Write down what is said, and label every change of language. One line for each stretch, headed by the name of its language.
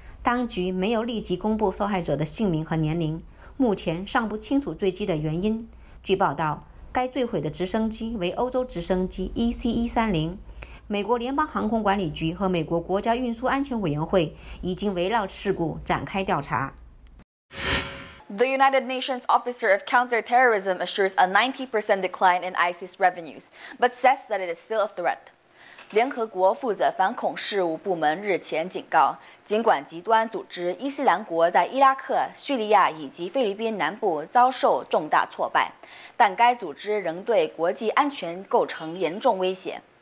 Chinese: 当局没有立即公布受害者的姓名和年龄，目前尚不清楚坠机的原因。据报道，该坠毁的直升机为欧洲直升机 EC-130。美国联邦航空管理局和美国国家运输安全委员会已经围绕事故展开调查。
English: The United Nations Office of Counterterrorism assures a 90% decline in ISIS revenues, but says that it is still a threat.
Chinese: 联合国负责反恐事务部门日前警告，尽管极端组织伊斯兰国在伊拉克、叙利亚以及菲律宾南部遭受重大挫败，但该组织仍对国际安全构成严重威胁。